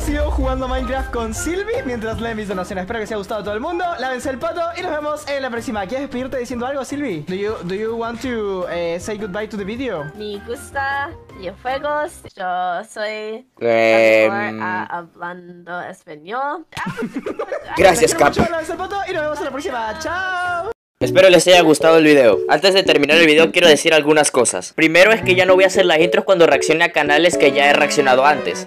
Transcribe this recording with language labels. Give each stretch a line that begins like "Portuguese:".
Spanish: Jugando Minecraft con Sylvie mientras lee mis donaciones. Espero que les haya gustado a todo el mundo. Lávense el poto y nos vemos en la próxima. ¿Quieres despedirte diciendo algo, Sylvie?
English: Do you want to say goodbye to the video?
Spanish: Me gusta videojuegos. Yo soy hablando español. Gracias, Cap. Lávense el poto y nos vemos en la próxima. Chao. Espero les haya gustado el video. Antes de terminar el video quiero decir algunas cosas. Primero es que ya no voy a hacer las intros cuando reaccione a canales que ya he reaccionado antes.